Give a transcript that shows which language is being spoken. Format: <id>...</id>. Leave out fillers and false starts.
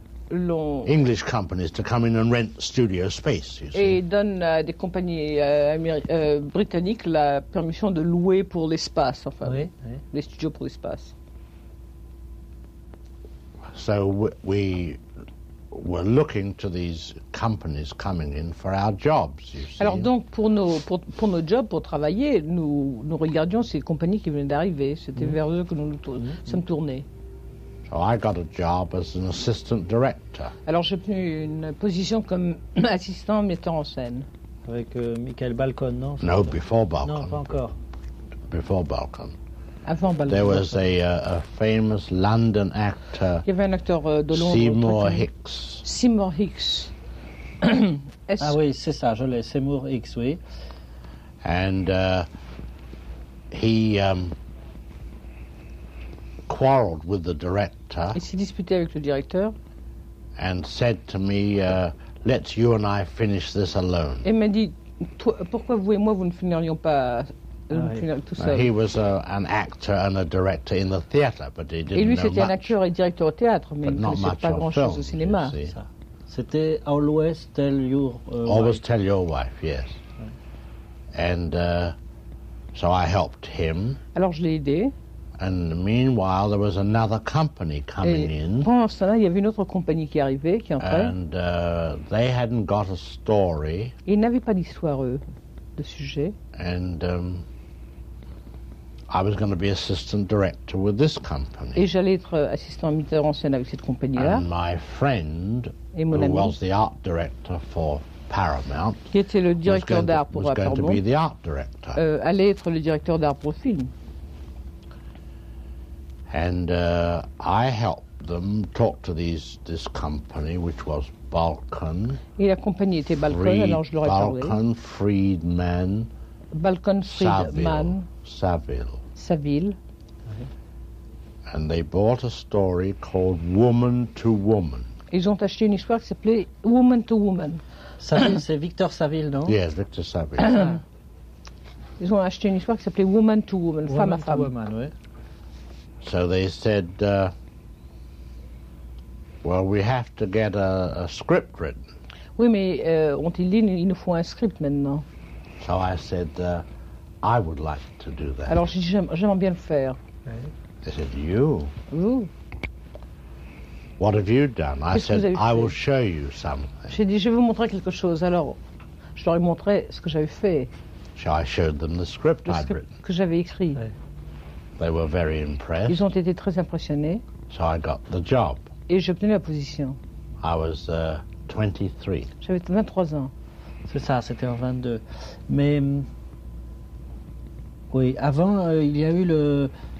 <en>English companies to come in and rent studio space. You</en> <fr>see. Et donne à des compagnies britanniques la permission de louer pour l'espace, enfin, oui, oui. Les studios pour l'espace.</fr> <en>So we were looking to these companies coming in for our jobs. You see.</en> <fr>Alors donc pour nos jobs, pour travailler, nous regardions ces compagnies qui venaient d'arriver. C'était vers eux que nous sommes tournés.</fr> <en>Oh, I got a job as an assistant director.</en> <fr>Alors j'ai obtenu une position comme assistant metteur en scène. Avec Michael Balcon, non?</fr> <en>No, before Balcon.</en> <fr>Non, pas encore.</fr> <en>Before Balcon.</en> <fr>Avant Balcon.</fr> <en>There was a famous London actor.</en> <fr>Il y avait un acteur de Londres.</fr> <en>Seymour Hicks.</en> <fr>Ah oui, c'est ça, je l'ai. Seymour Hicks, oui.</fr> <en>And he. Quarreled with the director.</en> <fr>Il s'est disputé avec le directeur.</fr> <en>And said to me, "Let's you and I finish this alone."</en> <fr>Et m'a dit, pourquoi vous et moi vous ne finirions pas tout seul?</fr> <en>He was an actor and a director in the theatre, but he didn't know much.</en> <fr>Et lui c'était un acteur et directeur au théâtre, mais il ne connaissait pas grand chose au cinéma. C'était Always Tell Your Wife.</fr> <en>Always Tell Your Wife, yes. And so I helped him.</en> <fr>Alors je l'ai aidé.</fr> <en>And meanwhile, there was another company coming in.</en> <fr>Pendant ce temps-là, il y avait une autre compagnie qui arrivait, qui entrait.</fr> <en>And they hadn't got a story.</en> <fr>Ils n'avaient pas d'histoire, eux, de sujet.</fr> <en>And I was going to be assistant director with this company.</en> <fr>Et j'allais être assistant metteur en scène avec cette compagnie-là.</fr> <en>And my friend, who was the art director for Paramount,</en> <fr>qui était le directeur d'art pour</fr> <en>Paramount, was going to be the art director.</en> <fr>Allait être le directeur d'art pour le film.</fr> <en>And I helped them talk to this company, which was Balcon.</en> <fr>Et la compagnie était Balcon, alors je leur ai Balcon, Balcon, Friedman. Balcon, Friedman. Saville. Mm-hmm.</fr> <en>And they bought a story called Woman to Woman.</en> <fr>Ils ont acheté une histoire qui s'appelait Woman to Woman. Saville, c'est Victor Saville, non?</fr> <en>Yes, Victor Saville.</en> <fr>Ils ont acheté une histoire qui s'appelait Woman to Woman,</fr> <en>woman</en> <fr>femme</fr> <en>to</en> <fr>à femme. Woman, oui.</fr> <en>So they said, well, we have to get a script written.</en> <fr>Oui, mais ont-ils dit, il nous faut un script maintenant.</fr> <en>So I said, I would like to do that.</en> <fr>Alors j'ai dit, j'aimerais bien le faire.</fr> <en>They said, you?</en> <fr>Vous?</fr> <en>What have you done?</en> <fr>Qu'est-ce</fr> <en>I said,</en> <fr>vous avez</fr> <en>I will show you something.</en> <fr>J'ai dit, je vais vous montrer quelque chose. Alors, je leur ai montré ce que j'avais fait.</fr> <en>So I showed them the script I'd written.</en> <fr>Que j'avais écrit. Oui.</fr> <en>They were very impressed.</en> <fr>Ils ont été très impressionnés.</fr> <en>So I got the job.</en> <fr>Et j'ai obtenu la position.</fr> <en>I was 23.</en> <fr>J'avais 23 ans. C'est ça, c'était en 22. Mais oui, avant il y a eu le</fr>